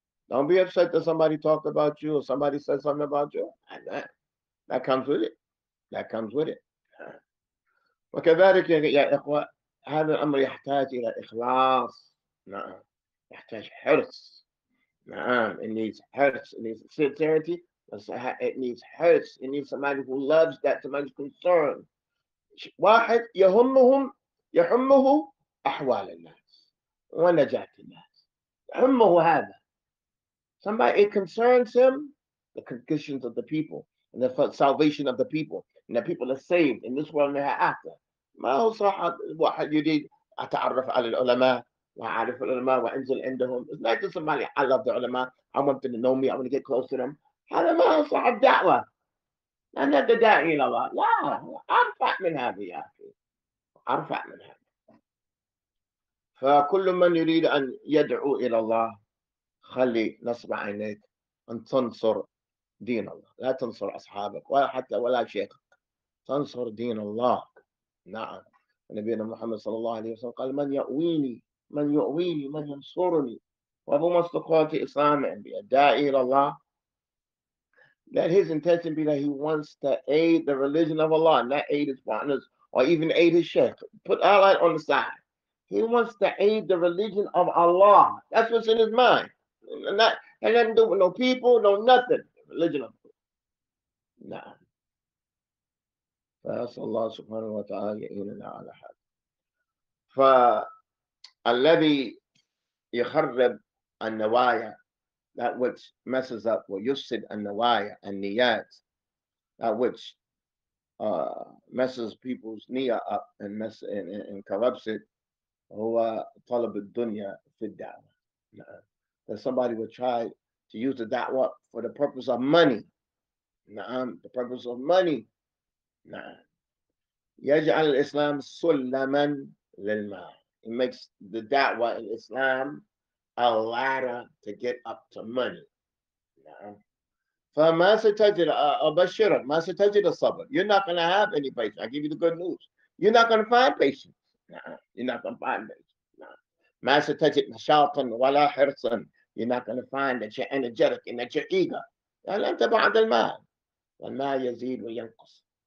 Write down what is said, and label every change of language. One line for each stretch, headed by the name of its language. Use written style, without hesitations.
English: Don't be upset that somebody talked about you or somebody said something about you. And that comes with it. That comes with it.
Arabic: وكذلك يا إخوة، هذا الأمر يحتاج إلى إخلاص. نعم. يحتاج حرص. نعم.
English: It needs حرص. It needs sincerity. It needs حرص. It needs somebody who loves that, somebody who's concerned.
Arabic: واحد يهمه أحوال الناس ونجاة الناس. همه هذا.
English: Somebody, it concerns him, the conditions of the people and the salvation of the people and the people are saved in this world and the hereafter.
Arabic: ما هو صح واحد يريد أتعرف على العلماء وأعرف العلماء وأنزل عندهم.
English: It's not just somebody, I love the علماء, I want them to know me, I want to get close to them.
Arabic: هذا ما هو صح الدعوة. أنا داعي إلى الله. لا، أرفع من هذا يا أخي. أرفع من هذا. فكل من يريد أن يدعو إلى الله، خلي نصب عينيك أن تنصر دين الله، لا تنصر أصحابك ولا حتى ولا شيخك، تنصر دين الله. نعم. نبينا محمد صلى الله عليه وسلم قال: من يؤويني، من يؤويني، من ينصرني وهو مستقوات إسلام بأدائي إلى الله.
English: That his intention be that he wants to aid the religion of Allah, not aid his partners or even aid his sheikh. Put all that on the side. He wants to aid the religion of Allah. That's what's in his mind. He doesn't do with no people, no nothing. Religion of Allah.
Arabic: نعم. فأسأل الله سبحانه وتعالى يعيننا على حاله. فالذي يخرب النوايا,
English: that which messes up,
Arabic: ويفسد النوايا, النيات,
English: that which messes people's niyah up and corrupts it,
Arabic: هو طلب الدنيا في الدعوة.
English: That somebody would try to use the da'wa for the purpose of money. نعم. The purpose of money. نعم.
Arabic: يجعل الإسلام سلما للمال.
English: It makes the da'wa in Islam a ladder to get up to money.
Arabic: نعم. فما ستجد أبشرك ما ستجد الصبر.
English: You're not going to have any patience. I'll give you the good news. You're not going to find patience. You're not going to find it.
Arabic: ما ستجد نشاطا ولا حرصا.
English: You're not going to find that you're energetic and that you're eager.
Arabic: لا أنت بعد المال. والمال يزيد وينقص.